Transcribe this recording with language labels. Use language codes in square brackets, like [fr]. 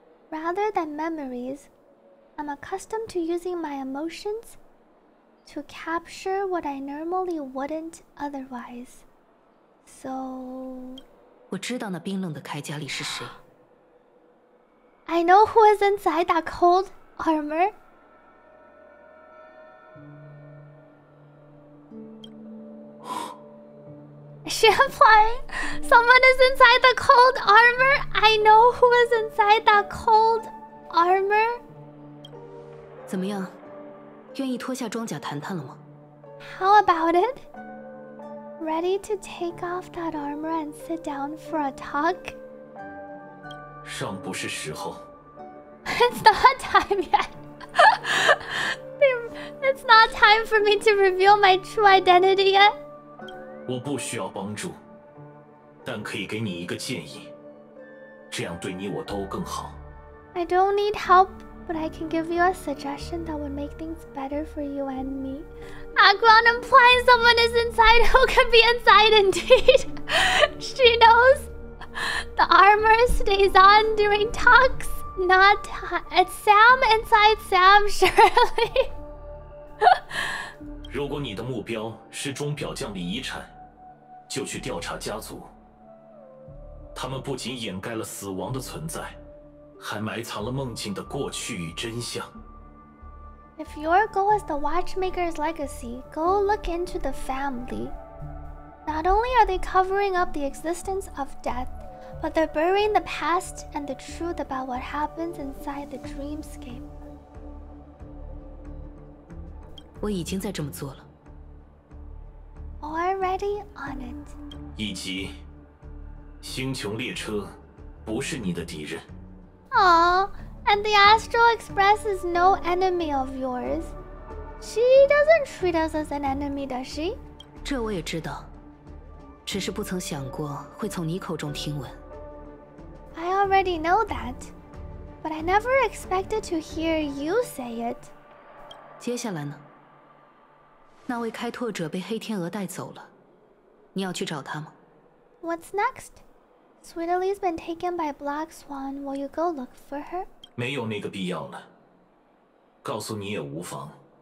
[en] Rather than memories, I'm accustomed to using my emotions to capture what I normally wouldn't otherwise. So... [zh] 我知道那冰冷的铠甲里是谁。 [en] I know who is inside that cold armor. Is she implying someone is inside the cold armor? I know who is inside that cold armor. [zh] 怎么样？愿意脱下装甲谈谈了吗？ [en] How about it? Ready to take off that armor and sit down for a talk? [zh] 尚不是时候。 [en] It's not time yet. It's not time for me to reveal my true identity yet. [zh] 我不需要帮助，但可以给你一个建议，这样对你我都更好。 [en] I don't need help, but I can give you a suggestion that would make things better for you and me. Acheron implying someone is inside who can be inside indeed. She knows the armor stays on during talks. Not it's Sam inside Sam, surely. [zh] 如果你的目标是钟表匠的遗产，就去调查家族。他们不仅掩盖了死亡的存在，还埋藏了梦境的过去与真相。 [en] If your goal is the watchmaker's legacy, go look into the family. Not only are they covering up the existence of death. But they're burying the past and the truth about what happens inside the dreamscape. [zh] 我已经在这么做了。 [en] Already on it. [zh] 以及，星穹列车不是你的敌人。 [en] Aww, and the Astral Express is no enemy of yours. She doesn't treat us as an enemy, does she? [zh] 这我也知道，只是不曾想过会从你口中听闻。 [en] I already know that, but I never expected to hear you say it. [zh] 接下来呢？那位开拓者被黑天鹅带走了，你要去找他吗？ [en] What's next? Sweetly's been taken by Black Swan. Will you go look for her? [zh] 没有那个必要了。告诉你也无妨。